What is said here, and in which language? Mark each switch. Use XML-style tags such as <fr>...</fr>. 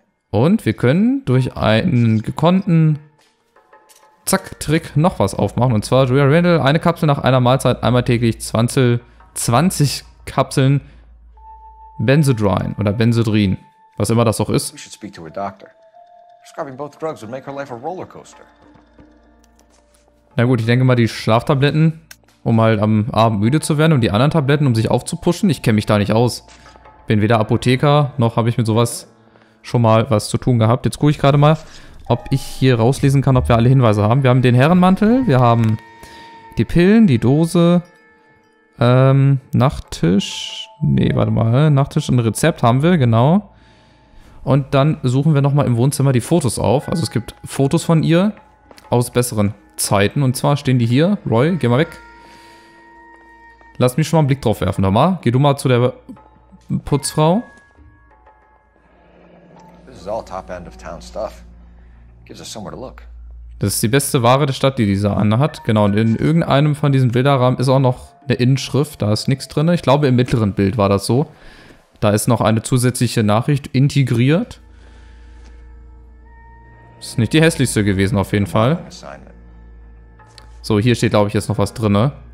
<de>Und wir können durch einen gekonnten Zack-Trick noch was aufmachen. Und zwar Julia Randall, eine Kapsel nach einer Mahlzeit, einmal täglich 20 Kapseln Benzedrine oder Benzedrin, was immer das auch ist.</de> <en>We should speak to a doctor. Prescribing both drugs would make her life a roller coaster.</en> <de>Na gut, ich denke mal die Schlaftabletten, um halt am Abend müde zu werden, und die anderen Tabletten, um sich aufzupuschen. Ich kenne mich da nicht aus. Bin weder Apotheker, noch habe ich mit sowas schon mal was zu tun gehabt. Jetzt gucke ich gerade mal, ob ich hier rauslesen kann, ob wir alle Hinweise haben. Wir haben den Herrenmantel, wir haben die Pillen, die Dose. Nachttisch. Nee, warte mal. Nachttisch und Rezept haben wir, genau. Und dann suchen wir nochmal im Wohnzimmer die Fotos auf. Also es gibt Fotos von ihr aus besseren Zeiten. Und zwar stehen die hier. Roy, geh mal weg. Lass mich schon mal einen Blick drauf werfen. Nochmal. Geh du mal zu der Putzfrau.</de> <en>This is all top end of town stuff. Gives us somewhere to look.</en> <de>Das ist die beste Ware der Stadt, die diese Anne hat. Genau, und in irgendeinem von diesen Bilderrahmen ist auch noch eine Inschrift. Da ist nichts drin. Ich glaube, im mittleren Bild war das so. Da ist noch eine zusätzliche Nachricht integriert. Ist nicht die hässlichste gewesen, auf jeden Fall. So, hier steht, glaube ich, jetzt noch was drin.</de>